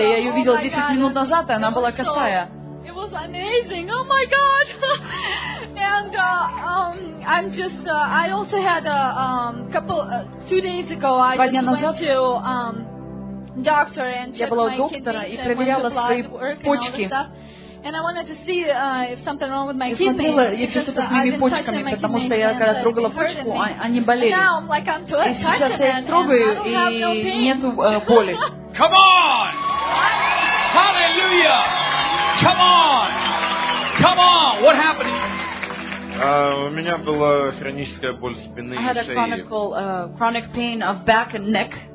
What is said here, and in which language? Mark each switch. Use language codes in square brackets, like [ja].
[ru] Я ее видел 10 минут назад, и она была косая. [en] It was amazing. Oh my God. And I'm just I also had a couple 2 days ago I just went to doctor and checked my kidneys [ru] и проверяла свои почки. [en] And I wanted to see if something wrong with my kidney. [ru] Я что-то с моими почками, потому что я когда трогала почку, они болели. [en] Now I'm like I'm touching it. [ru] Сейчас я трогаю и нету боли. [en] Come on. Hallelujah. Come on. Come on. What happened? [ru] У меня была хроническая боль спины и шеи. [en] I had a chronic pain of back and neck.